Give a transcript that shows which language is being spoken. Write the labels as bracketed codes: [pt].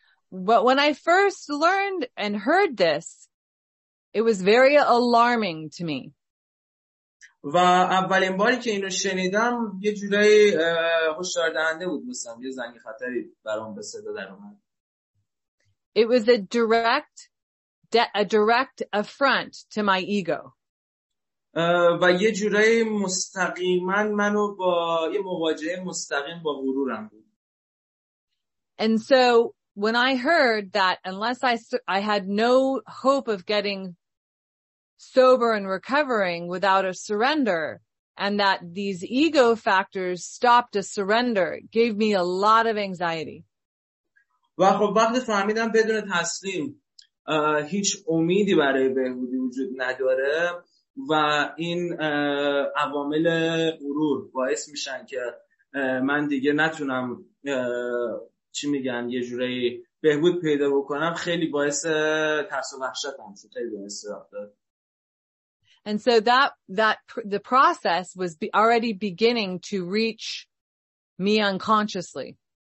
[en] But when I first learned and heard this, it was very alarming to me. [fa] و اولین باری که اینو شنیدم یه جوری هشدار دهنده بود، مثلا یه زنگ خطری برام به صدا در اومد. [en] It was a direct affront to my ego. [fa] و یه جوری مستقیما منو با یه مواجهه مستقیم با غرورم بود. [en] And so when I heard that unless I had no hope of getting sober and recovering without a surrender, and that these ego factors stopped a surrender, gave me a lot of anxiety. [fa] و خب وقتی فهمیدم بدون تسلیم هیچ امیدی برای بهبودی وجود نداره، و این عوامل غرور باعث میشن که من دیگه نتونم چی میگن یه جوری بهبود پیدا بکنم، خیلی باعث ترس و وحشتم شد، خیلی باعث رفتار. [en] And so the process was already beginning to reach me unconsciously.